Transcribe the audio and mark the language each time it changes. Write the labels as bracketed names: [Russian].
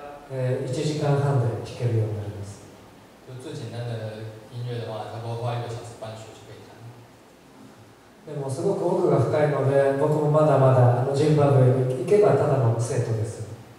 [Japanese] 1時間半で弾けるようになります。 [Chinese] 就最简单的音乐的话，差不多花一个小时半学就可以弹。 [Japanese] でもすごく奥が深いので、僕もまだまだジンバブエに行けばただの生徒です。